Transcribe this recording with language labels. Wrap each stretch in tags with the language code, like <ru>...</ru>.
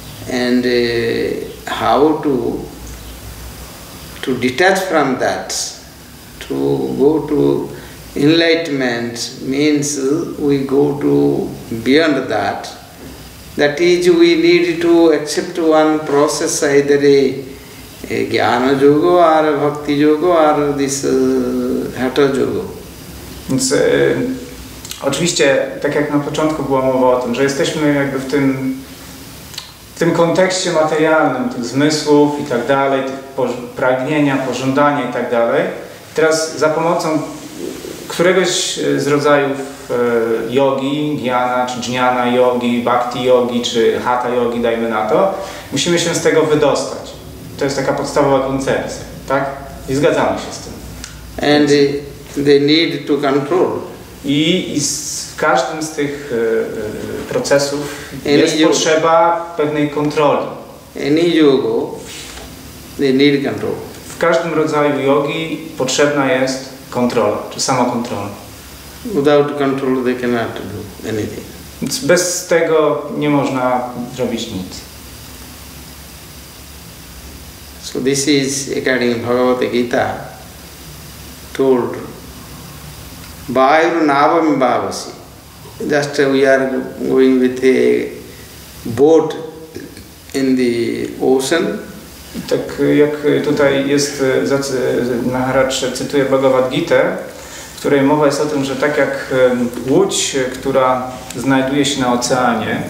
<en>And how to detach from that, to go to enlightenment means we go to beyond that. That is, we need to accept one process, either a Jnana Yoga or Bhakti Yoga or this Hatha Yoga.</en> <pl>Więc oczywiście, tak jak na początku była mowa o tym, że jesteśmy jakby w tym kontekście materialnym, tych zmysłów i tak dalej, tych pragnienia, pożądania i tak dalej. Teraz za pomocą któregoś z rodzajów jogi, Jnana, czy Jnana Yogi, Bhakti Yogi, czy Hatha Yogi, dajmy na to, musimy się z tego wydostać. To jest taka podstawowa koncepcja, tak? I zgadzamy się z tym.</pl> <en>And they need to control.</en> <pl>I z każdym z tych procesów any jest potrzeba pewnej kontroli.</pl> <en>Any yoga, they need control.</en> <pl>W każdym rodzaju jogi potrzebna jest kontrola, czy samokontrola.</pl> <en>Without control they cannot do anything.</en> <pl>Więc bez tego nie można zrobić nic.</pl> <en>So this is according to Bhagavad Gita told Vayu Navam Bhavasi. Just we are going with a boat in the ocean.</en> <pl>Tak jak tutaj jest Maharaj cytuje Bhagavad Gita, w której mowa jest o tym, że tak jak łódź, która znajduje się na oceanie.</pl>